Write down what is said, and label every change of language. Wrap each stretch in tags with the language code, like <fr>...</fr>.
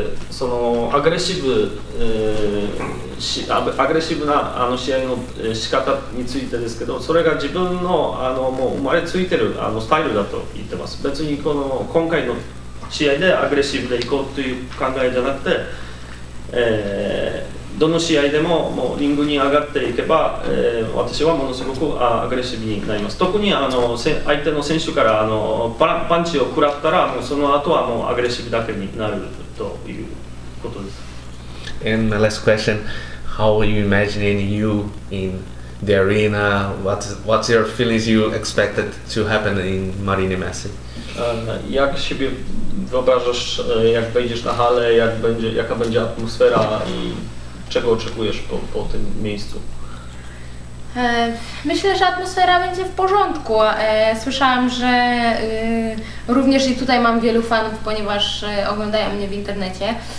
<ja>そのアグレッシブなあの試合の仕方についてですけど、それが自分 の, あのもう生まれついてるあのスタイルだと言ってます。別にこの今回の試合でアグレッシブでいこうという考えじゃなくて、どの試合で もうリングに上がっていけば、私はものすごくアグレッシブになります。特にあの相手の選手からあのパンチを食らったら、もうその後はもうアグレッシブだけになるということです。</ja> <en>And my last question, how are you imagining you in the arena? What's your feelings you expected to happen in Marine Messi?</en> <pl>Jak siebie wyobrażasz, jak wejdziesz na halę, jaka będzie atmosfera i czego oczekujesz po tym miejscu? Myślę, że atmosfera będzie w porządku. Słyszałam, że również i tutaj mam wielu fanów, ponieważ oglądają mnie w internecie.</pl>